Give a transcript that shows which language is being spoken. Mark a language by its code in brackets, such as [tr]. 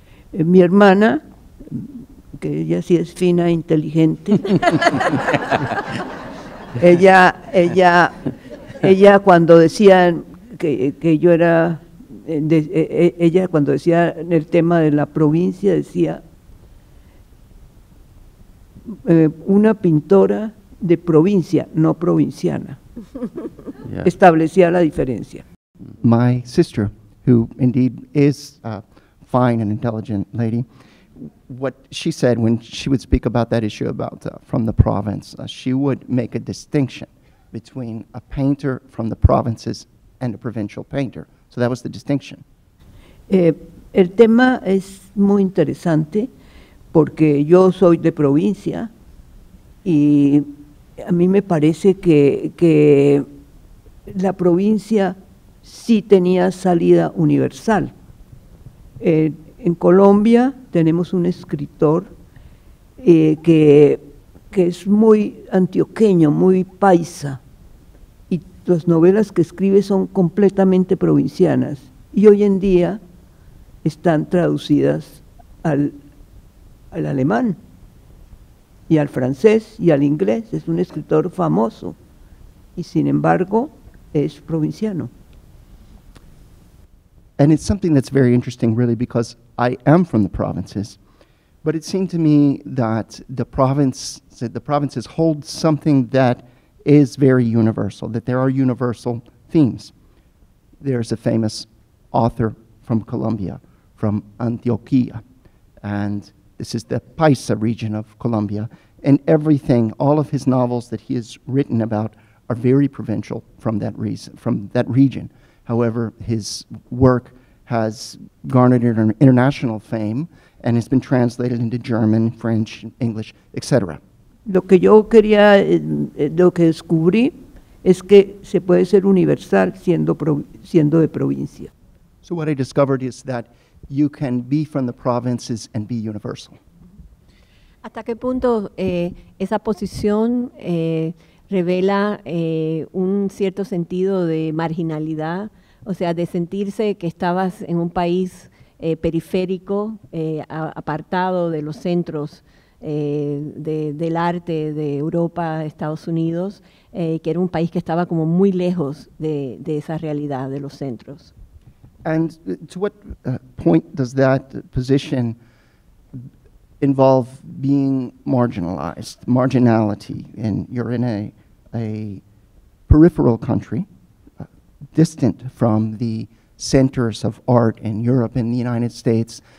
[es] Mi hermana, que ella sí es fina e inteligente, ella cuando decía que yo era, ella cuando decía el tema de la provincia decía, una pintora de provincia, no provinciana. Yeah. Establecía la diferencia. [en] My sister, who indeed is a fine and intelligent lady, what she said when she would speak about that issue about from the province, she would make a distinction between a painter from the provinces and a provincial painter. So that was the distinction. [es] El tema es muy interesante porque yo soy de provincia y a mí me parece que la provincia sí tenía salida universal. En Colombia tenemos un escritor que es muy antioqueño, muy paisa, y las novelas que escribe son completamente provincianas y hoy en día están traducidas al alemán y al francés y al inglés. Es un escritor famoso y sin embargo es provinciano. [en] And it's something that's very interesting, really, because I am from the provinces, but it seemed to me that the provinces hold something that is very universal, that there are universal themes. There's a famous author from Colombia, from Antioquia, and this is the Paisa region of Colombia, and everything, all of his novels that he has written about are very provincial from that region. However, his work has garnered international fame and has been translated into German, French, English, etc. [es] Lo que yo quería, lo que descubrí, es que se puede ser universal siendo de provincia. [en] So what I discovered is that you can be from the provinces and be universal. [es] ¿Hasta qué punto esa posición revela un cierto sentido de marginalidad? O sea, de sentirse que estabas en un país periférico, apartado de los centros del arte de Europa, Estados Unidos, que era un país que estaba como muy lejos de esa realidad, de los centros. [en] And to what point does that position involve being marginalized, marginality? And you're in a peripheral country, distant from the centers of art in Europe and the United States.